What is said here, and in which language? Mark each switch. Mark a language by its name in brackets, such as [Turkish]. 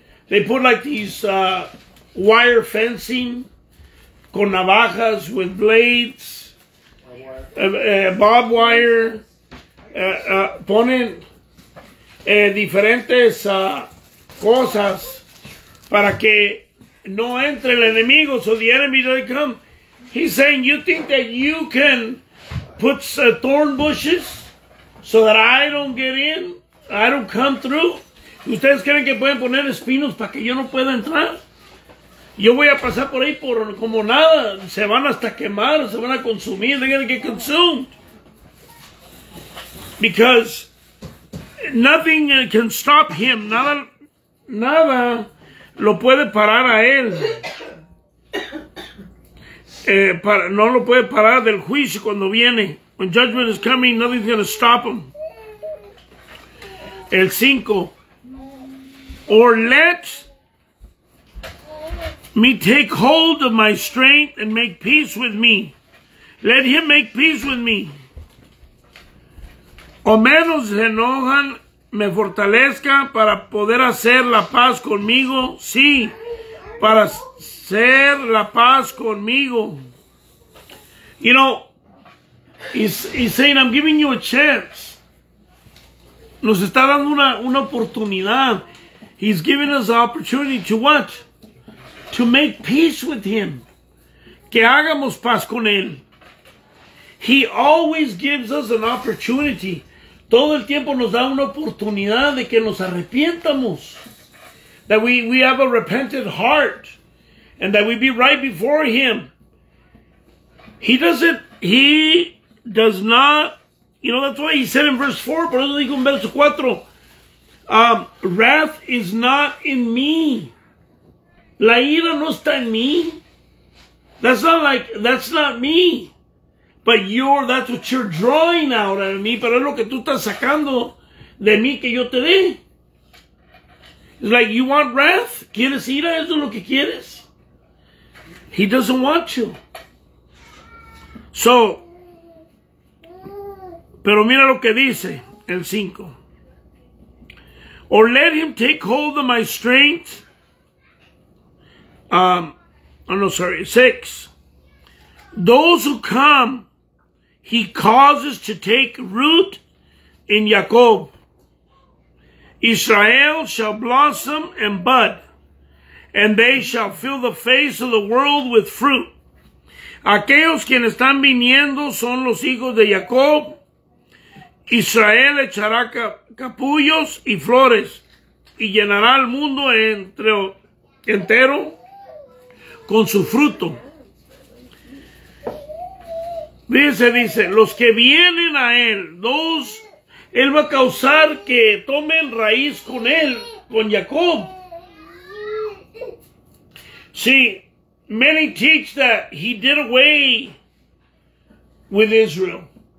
[English] They put like these wire fencing [Spanish] con navajas [English] with blades, barbed wire. [Spanish] Ponen diferentes cosas para que no entre el enemigo. [English] So the enemy doesn't come. He's saying, you think that you can put thorn bushes so that I don't get in? I don't come through? [Spanish] ¿Ustedes creen que pueden poner espinos para que yo no pueda entrar? Yo voy a pasar por ahí por como nada. Se van hasta quemar, se van a consumir. [English] They're going to get consumed. Because nothing can stop him. [Spanish] Nada, nada lo puede parar a él. No lo puede parar del juicio cuando viene. [English] When judgment is coming, nothing's going to stop him. [Spanish] El cinco. [English] Or let me take hold of my strength and make peace with me. Let him make peace with me. [Spanish] O menos enojan, me fortalezca para poder hacer la paz conmigo. Sí, para hacer la paz conmigo. [English] You know, he's saying, I'm giving you a chance. [Spanish] Nos está dando una oportunidad. [English] He's giving us an opportunity to what? To make peace with him. [Spanish] Que hagamos paz con él. [English] He always gives us an opportunity. [Spanish] Todo el tiempo nos da una oportunidad de que nos arrepientamos. [English] That we have a repentant heart. And that we be right before him. He doesn't, he does not, you know, that's why he said in verse 4, [Spanish] por eso dijo en verso 4, [English] wrath is not in me. [Spanish] La ira no está en mí. [English] That's not like, that's not me. But you're, that's what you're drawing out of me. [Spanish] Pero es lo que tú estás sacando de mí que yo te dé. [English] It's like, you want wrath? [Spanish] ¿Quieres ira? ¿Eso es lo que quieres? [English] He doesn't want you. So, [Spanish] pero mira lo que dice el 5. [English] Or let him take hold of my strength. Oh no, sorry, 6. Those who come, he causes to take root in Jacob. Israel shall blossom and bud, and they shall fill the face of the world with fruit. [Spanish] Aquellos quienes están viniendo son los hijos de Jacob. Israel echará capullos y flores, y llenará el mundo entero con su fruto. Dice, dice, los que vienen a él, dos, él va a causar que tomen raíz con él, con Jacob. [English] See, many teach that he did away with Israel.